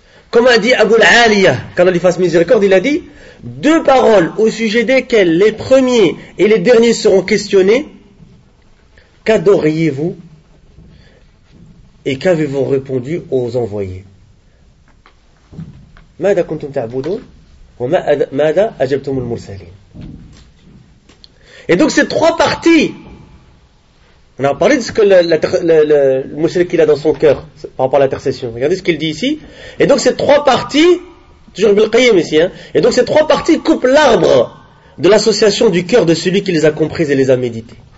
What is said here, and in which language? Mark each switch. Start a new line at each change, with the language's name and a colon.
French: Comme a dit Abu al-Aliya, quand Allah lui fasse miséricorde, il a dit, deux paroles au sujet desquelles les premiers et les derniers seront questionnés, qu'adoriez-vous et qu'avez-vous répondu aux envoyés?
Arabic: ماذا كنتم تعبدون وماذا أجبتم المرسلين.
French: Et donc ces trois parties, on a parlé de ce que le mushrik qu'il a dans son cœur par rapport à l'intercession. Regardez ce qu'il dit ici. Et donc ces trois parties, toujours Ibn al-Qayyim ici, hein. Et donc ces trois parties coupent l'arbre de l'association du cœur de celui qui les a comprises et les a méditées.